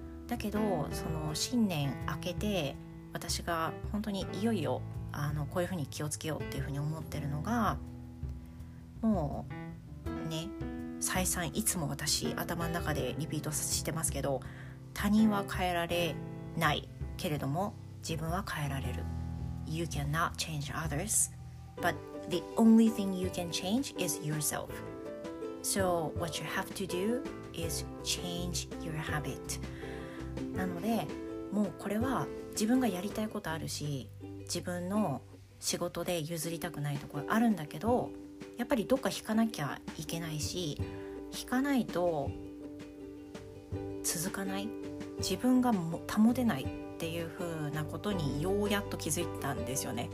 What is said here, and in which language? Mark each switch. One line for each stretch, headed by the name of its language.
Japanese: だけどその新年明けて、私が本当にいよいよこういうふうに気をつけようっていうふうに思ってるのが、もうね、再三いつも私頭の中でリピートしてますけど、他人は変えられないけれども自分は変えられる。
English: You cannot change others, but the only thing you can change is yourself. So what you have to do is change your habit.
Japanese: なので、もうこれは自分がやりたいことあるし、自分の仕事で譲りたくないところあるんだけど、やっぱりどっか引かなきゃいけないし、引かないと続かない、自分が保てないっていう風なことにようやっと気づいたんですよね。